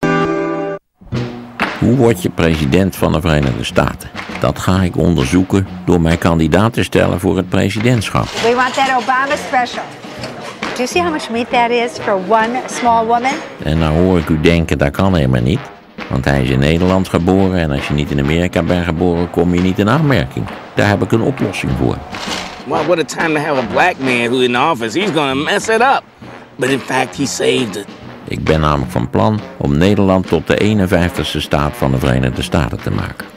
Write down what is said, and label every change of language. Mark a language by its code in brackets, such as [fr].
[nl] Hoe word je president van de Verenigde Staten? Dat ga ik onderzoeken door mijn kandidaat te stellen voor het presidentschap. [en] We want that Obama special. Do you see how much meat that is for one small woman? [nl] En nou hoor ik u denken, dat kan helemaal niet. Want hij is in Nederland geboren en als je niet in Amerika bent geboren, kom je niet in aanmerking. Daar heb ik een oplossing voor. [en] Well, what a time to have a black man who's in office. He's gonna mess it up. But in fact, he saved it. [nl] Ik ben namelijk van plan om Nederland tot de 51ste staat van de Verenigde Staten te maken.